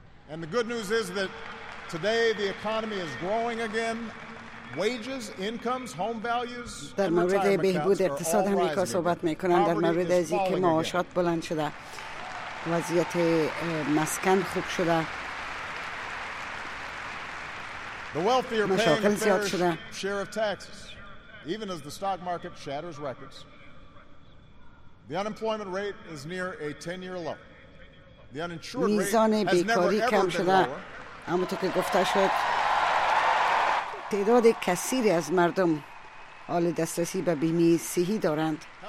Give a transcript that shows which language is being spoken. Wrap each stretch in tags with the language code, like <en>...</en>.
<en>And the good news is that today the economy is growing again. Wages, incomes, home values,</en> <fa>در مورد بهبود اقتصاد آمریکا صحبت می کنند. در مورد از اینکه معاشات بلند شده وضعیت مسکن خوب شده.</fa> <en>The wealthier paying a fair share of taxes, even as the stock market shatters records. The unemployment rate is near a 10-year low. The uninsured rate has never ever been lower.</en> <fa>اما تو که گفته شد تعداد کثیری از مردم حال دسترسی به بیمه صحی دارند.</fa>